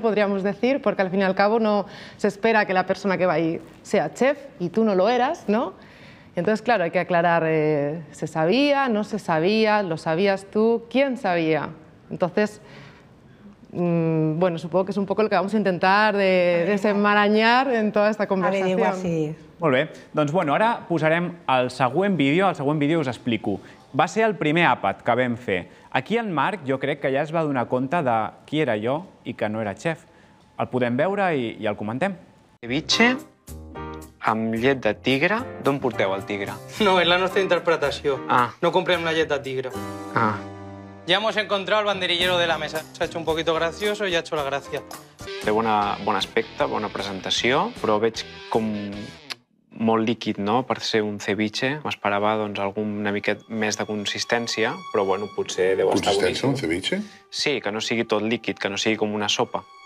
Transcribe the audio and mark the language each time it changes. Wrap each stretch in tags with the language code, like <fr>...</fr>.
<es>Podríamos decir, porque al fin y al cabo no se espera que la persona que va ahí sea chef, y tú no lo eras, ¿no? Entonces, claro, hay que aclarar, ¿se sabía, no se sabía, lo sabías tú, quién sabía? Entonces, bueno, supongo que es un poco el que vamos a intentar de desenmarañar en toda esta conversación. Averiguar, sí.</es> <ca>Molt bé. Doncs, bueno, ara posarem el següent vídeo. El següent vídeo us explico. Va ser el primer àpat que vam fer. Aquí en Marc, jo crec que ja es va donar compte de qui era jo i que no era xef. El podem veure i el comentem. Ceviche amb llet de tigre. D'on porteu el tigre? No, és la nostra interpretació. Ah. No comprem la llet de tigre. Ah.</ca> <es>Ya hemos encontrado el banderillero de la mesa. Se ha hecho un poquito gracioso y ha hecho la gracia.</es> <ca>Té bon aspecte, bona presentació, però veig com molt líquid, no?, per ser un ceviche. M'esperava, doncs, alguna miqueta més de consistència, però, bueno, potser deu estar boníssim. Consistència, un ceviche? Sí, que no sigui tot líquid, que no sigui com una sopa.</ca>